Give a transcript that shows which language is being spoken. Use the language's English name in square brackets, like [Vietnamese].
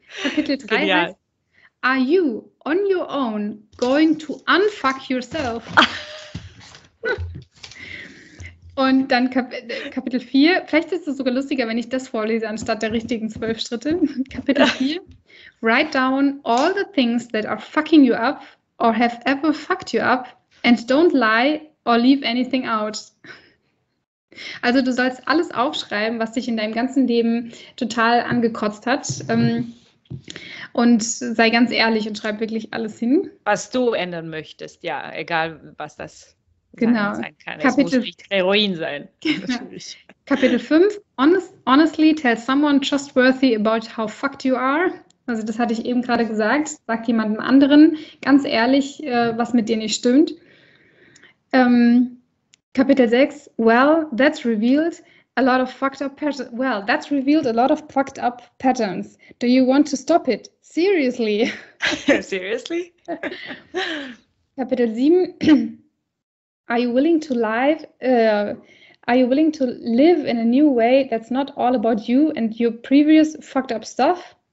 [German] Kapitel 3 ist, [English] are you on your own going to unfuck yourself? [German] Und dann Kapitel 4, vielleicht ist es sogar lustiger, wenn ich das vorlese, anstatt der richtigen 12 Schritte. [English] Kapitel 4, write down all the things that are fucking you up or have ever fucked you up. And don't lie or leave anything out. [German] Also du sollst alles aufschreiben, was dich in deinem ganzen Leben total angekotzt hat. Und sei ganz ehrlich und schreib wirklich alles hin. Was du ändern möchtest, ja, egal was das sein kann. Kapitel, es muss nicht Heroin sein. Genau. [English] Kapitel 5, honestly tell someone trustworthy about how fucked you are. [German] Also das hatte ich eben gerade gesagt. Sag jemandem anderen ganz ehrlich, was mit dir nicht stimmt. [English] Kapitel 6, that's revealed a lot of fucked up patterns. Do you want to stop it? Seriously? Seriously? Kapitel 7, are you willing to live in a new way that's not all about you and your previous fucked up stuff?